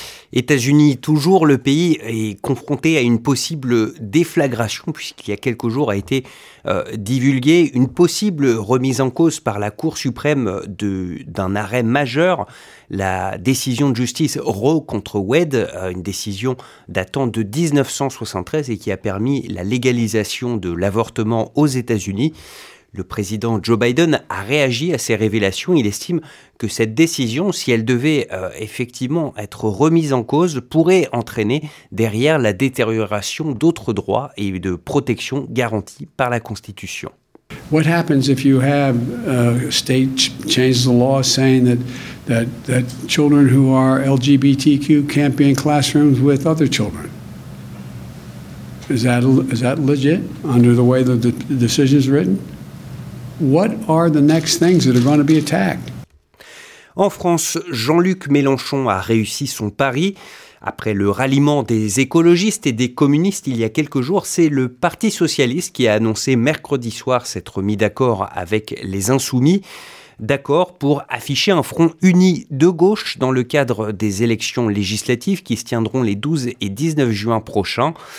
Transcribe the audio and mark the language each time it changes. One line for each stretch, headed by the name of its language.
French: États-Unis, toujours, le pays est confronté à une possible déflagration, puisqu'il y a quelques jours a été divulgué une possible remise en cause par la Cour suprême d'un arrêt majeur, la décision de justice Roe contre Wade, une décision datant de 1973 et qui a permis la légalisation de l'avortement aux États-Unis. Le président Joe Biden a réagi à ces révélations. Il estime que cette décision, si elle devait effectivement être remise en cause, pourrait entraîner derrière la détérioration d'autres droits et de protections garanties par la Constitution.
English: What happens if you have a state change the law saying that children who are LGBTQ can't be in classrooms with other children? Is that legit under the way that the decision is written? What are the next things that are going to be attacked?
French: En France, Jean-Luc Mélenchon a réussi son pari. Après le ralliement des écologistes et des communistes il y a quelques jours, c'est le Parti socialiste qui a annoncé mercredi soir s'être mis d'accord avec les Insoumis. D'accord pour afficher un front uni de gauche dans le cadre des élections législatives qui se tiendront les 12 et 19 juin prochains.